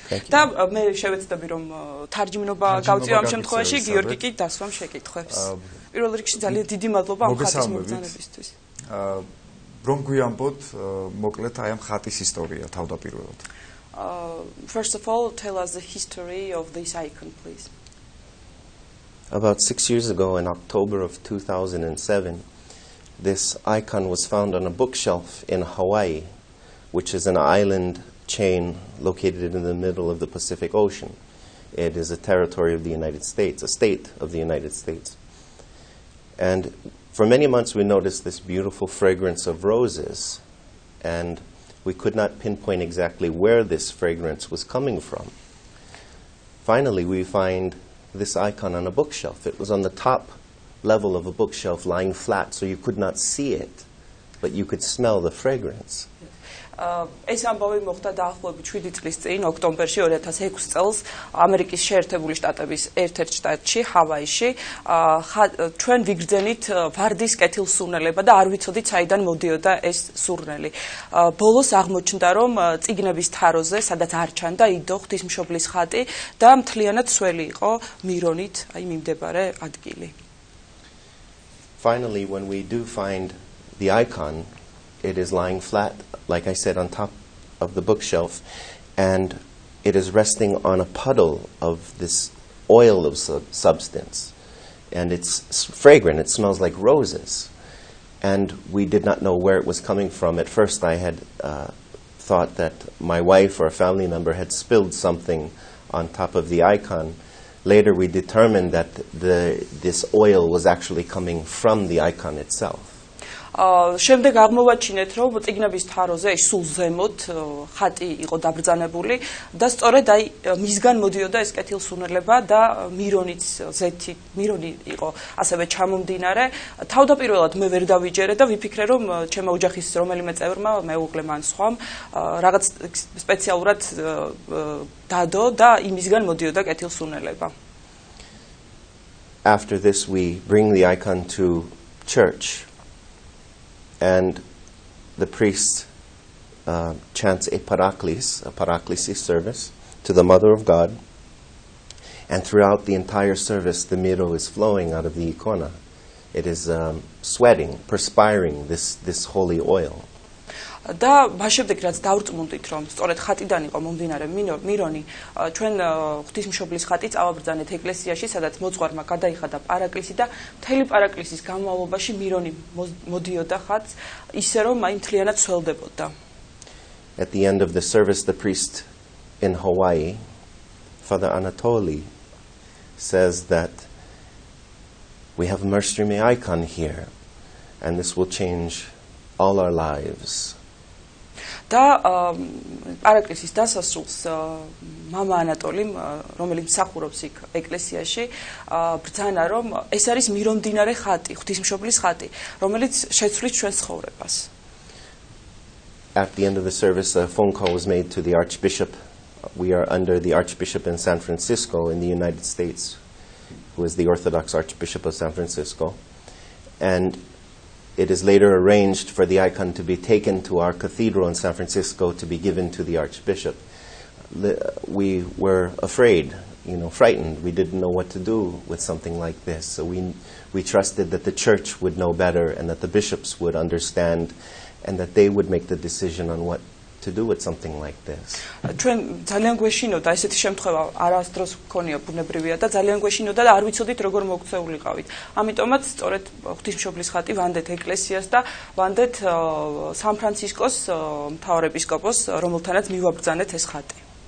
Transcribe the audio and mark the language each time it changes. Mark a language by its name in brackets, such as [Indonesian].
[Georgian] Და მე შევეცდები რომ თარჯიმნობა გავწიო ამ შემთხვევაში, გიორგი კი დასვამ შეკითხვებს. პირველ რიგში ძალიან დიდი მადლობა ამ ხატის მოგზაურობისთვის. რომ გვიამბოთ მოკლედ აი ამ ხატის ისტორია თავდაპირველად. [English] First of all, tell us the history of this icon, please. About 6 years ago in October of 2007, this icon was found on a bookshelf in Hawaii, which is an island chain located in the middle of the Pacific Ocean. It is a territory of the United States, a state of the United States. And for many months we noticed this beautiful fragrance of roses, and we could not pinpoint exactly where this fragrance was coming from. Finally, we find this icon on a bookshelf. It was on the top level of a bookshelf lying flat, so you could not see it, but you could smell the fragrance. [Georgian] ეს ამბავი მოხდა დაახლოებით 7 წლის წინ, ოქტომბერში 2006 წელს, ამერიკის შეერთებული შტატების ერთ-ერთ შტატში, ჰავაიში. ჩვენ ვიგრძენით ვარდის კეთილს სურნელება და არ ვიცოდით, საიდან მოდიოდა ეს სურნელი. ბოლოს აღმოჩნდა, რომ წიგნების თაროზე, სადაც არ ჩანდა, იდო ღვთისმშობლის ხატი და მთლიანად სველი იყო მირონით, აი მიმდებარე ადგილი. [English] Finally, when we do find the icon, it is lying flat, like I said, on top of the bookshelf, and it is resting on a puddle of this oil of substance, and it's fragrant, it smells like roses, and we did not know where it was coming from. At first I had thought that my wife or a family member had spilled something on top of the icon. Later we determined that this oil was actually coming from the icon itself. [Georgian] შემდეგ აღმოვაჩინეთ, რომ წიგნების თაროზე ის სულ ზემოთ ხატი იყო დაბრძანებული და სწორედ აი მისგან მოდიოდა ეს კეთილსურნელება და მირონიც ზეთი, მირონი იყო ასევე ჩამომდინარე. თავდაპირველად მე ვერ დავიჯერე და ვიფიქრე, რომ ჩემო ოჯახის რომელიმე წევრმა, მეუღლე მან სხვამ, რაღაც სპეციალურად დადო და იმისგან მოდიოდა კეთილსურნელება. [English] After this we bring the icon to church. And the priest chants a paraklis, a paraklisi service, to the Mother of God. And throughout the entire service, the miro is flowing out of the icona. It is sweating, perspiring, this holy oil. [Georgian] და ბაშებდეგ რაც დავრწმუნდით რომ სწორედ ხატიდან იყო მომდინარე მირონი, ჩვენ ღვთისმშობლის ხატი წავაბრძანეთ ეკლესიაში, სადაც მოძღვარმა გადაიხადა პარაკლისი და მთელი პარაკლისის განმავლობაში მირონი მოდიოდა ხატს ისე რომ აი მთლიანად სველდებოდა. [English] At the end of the service the priest in Hawaii, Father Anatoly, says that we have a mercy me icon here and this will change all our lives. [Georgian] და პარაკლისის დასასრულს мама ანატოლიმ, რომელიც მსახურობს იქ ეკლესიაში, ბრძანა რომ ეს არის მირონმდინარე ხატი, ღვთისმშობლის ხატი, რომელიც შეცვლის ჩვენ ცხოვრებას. [English] At the end of the service a phone call was made to the archbishop. We are under the archbishop in San Francisco in the United States, who is the Orthodox Archbishop of San Francisco, and it is later arranged for the icon to be taken to our cathedral in San Francisco to be given to the archbishop. We were afraid, you know, frightened. We didn't know what to do with something like this. So we trusted that the church would know better and that the bishops would understand and that they would make the decision on what to do with something like this. [Georgian] ჩვენ ძალიან გვეშინოდა ესეთი შემთხვევა, არასდროს გქონია ბუნებრივია და ძალიან გვეშინოდა და არ ვიცოდით როგორ მოგწეულიყავით. ამიტომაც სწორედ ღვთისმშობლის ხატი ვანდეთ ეკლესიას და ვანდეთ სან-ფრანცისკოს მთავარეპისკოპოსს, რომელთანაც მივაბრძანეთ ეს ხატი.